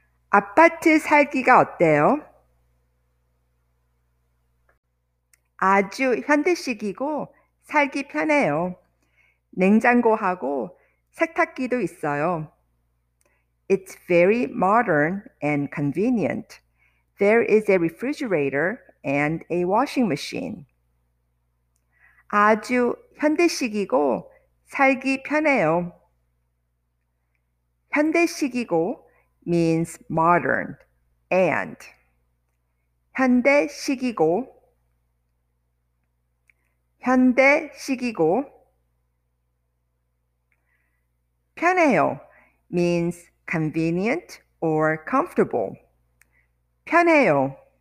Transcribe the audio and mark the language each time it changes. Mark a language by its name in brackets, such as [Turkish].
[Korean] 아파트 살기가 어때요? 아주 현대식이고 살기 편해요. 냉장고하고 세탁기도 있어요. [English] It's very modern and convenient. There is a refrigerator and a washing machine. [Korean] 아주 현대식이고 살기 편해요. 현대식이고 [English] means modern and [Korean] 현대식이고 현대식이고 편해요 [English] means convenient or comfortable. [Korean] 편해요.